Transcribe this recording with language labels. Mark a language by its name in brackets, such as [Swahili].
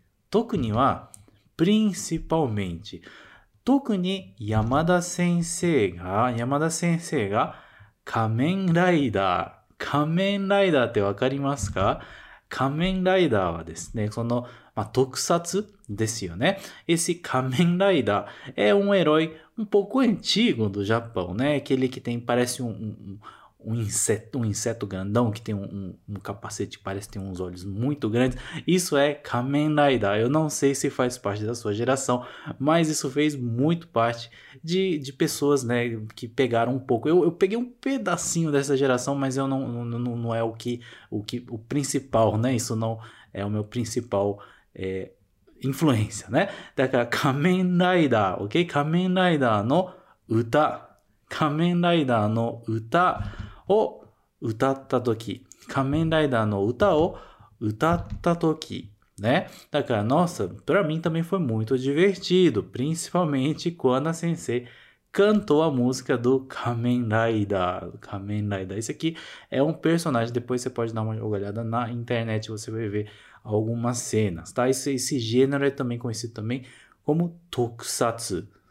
[Japanese] 特に は principalmente. 特に山田先生が仮面ライダー。仮面ライダーってわかりますか?仮面ライダーはですね、その、まあ、特撮ですよね。 [Portuguese] Esse 仮面ライダー é um herói um pouco antigo do Japão, né? Aquele que tem, parece um inseto grandão, que tem um capacete, parece ter uns olhos muito grandes. Isso é 仮面ライダー. Eu não sei se faz parte da sua geração, mas isso fez muito parte de pessoas, né, que pegaram um pouco. Eu peguei um pedacinho dessa geração, mas eu não é o principal, né? Isso não é o meu principal... influência, né? [Japanese] だから仮面ライダー、OK? 仮面ライダーの歌、仮面ライダーの歌を歌ったとき、仮面ライダーの歌を歌ったとき、ね。 [Portuguese] だから、nossa, pra mim também foi muito divertido, principalmente quando a sensei cantou a música do 仮面ライダー。 [Japanese] 仮面ライダー。 [Portuguese] Esse aqui é um personagem, depois você pode dar uma olhada na internet, você vai ver. Algumas cenas, tá? Esse gênero é também conhecido também como tokusatsu.